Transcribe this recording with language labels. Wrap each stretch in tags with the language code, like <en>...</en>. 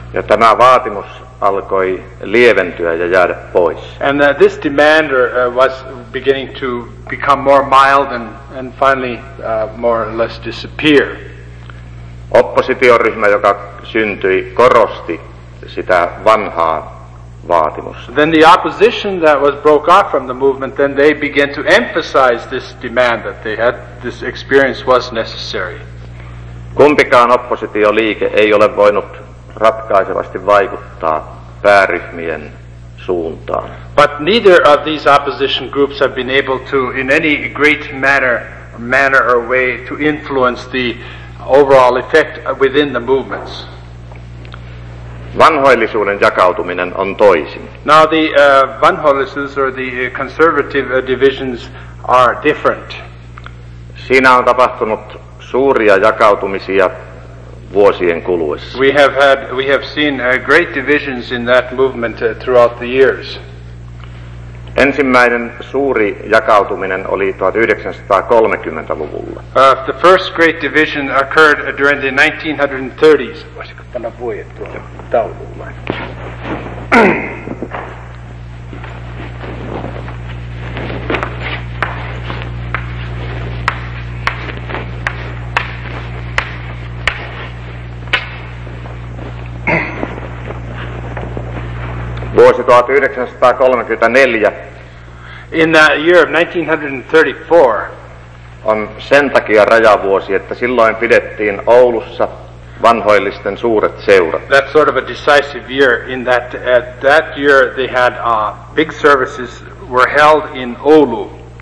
<fi>Ja tämä vaatimus alkoi lieventyä ja jäädä pois.</fi> <en>And this demand was beginning to become more mild and finally more or less disappear.</en> <fi>Oppositioryhmä, joka syntyi, korosti sitä vanhaa vaatimusta.</fi> <en>Then the opposition that was broke off from the movement, then they began to emphasize this demand that they had, this experience was necessary.</en> <fi>Kumpikaan oppositioliike ei ole voinut ratkaisevasti vaikuttaa pääryhmien suuntaan.</fi> <en>But neither of these opposition groups have been able to, in any great manner or way, to influence the overall effect within the movements.</en> <fi>Vanhoillisuuden jakautuminen on toisin.</fi> <en>Now the vanhoillisuus or the conservative divisions are different.</en> <fi>Siinä on tapahtunut suuria jakautumisia vuosien kuluessa.</fi> <en>We have seen great divisions in that movement throughout the years.</en> <fi>Ensimmäinen suuri jakautuminen oli 1930-luvulla.</fi> <en>The first great division occurred during the 1930s.</en> <fi>Voisiko panna vuodet tuolla taululla? Vuosi 1934.</fi> <en>In the year of 1934.</en> <fi>On sen takia rajavuosi, että silloin pidettiin Oulussa vanhoillisten suuret seurat.</fi> <en>That's sort of a decisive year in that that year they had big services were held in Oulu.</en>